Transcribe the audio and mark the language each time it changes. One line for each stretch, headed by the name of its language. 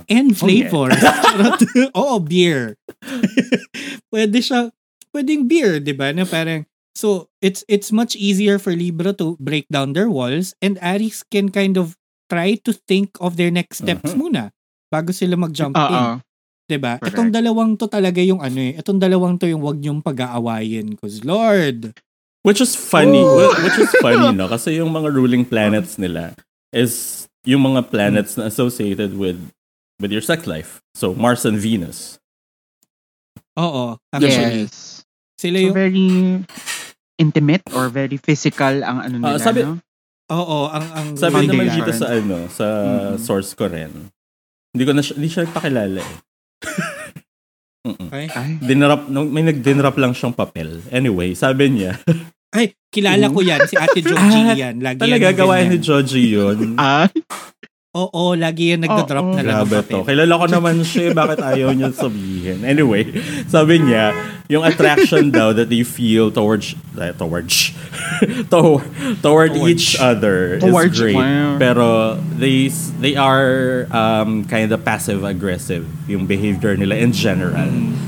English: And flavor. Oh, beer.
Filipino: Pwede siya, pwedeng beer, di ba? Na parang,
English: so, it's much easier for Libra to break down their walls, and Aries can kind of try to think of their next steps, uh-huh,
Filipino: muna bago sila mag-jump in. Diba? Correct. Itong dalawang to talaga yung ano eh. Itong dalawang to yung wag niyong pag-aawayin.
English: Cause Lord! Which is funny. Ooh. Which is funny, no?
Filipino: Kasi yung mga
English: ruling planets
Filipino: nila is yung mga
English: planets na associated with your sex life. So, Mars and Venus.
Filipino: Oo.
English: Actually, yes.
Filipino: Sila yung...
English: So, very intimate or very physical
Filipino: ang ano nila, sabi, no? Oo. Ang sabi naman dito sa ano, sa source ko rin. Hindi siya pakilala eh. Okay. Dinarap, may nagdinarap lang siyang papel. Anyway, sabi niya. Ay, kilala ko yan, si Ate Joji yan. Lagi talaga, gawain ni Joji yun. Oo, lagi yan nagdadrop na lang ng papel. To. Kilala ko naman siya, bakit ayaw niya sabihin.
English: Anyway,
Filipino: sabi niya, yung
English: attraction daw that they feel towards each other is great. Wow.
Filipino: Pero
English: they are kind of passive-aggressive,
Filipino: yung behavior nila
English: in general. Mm.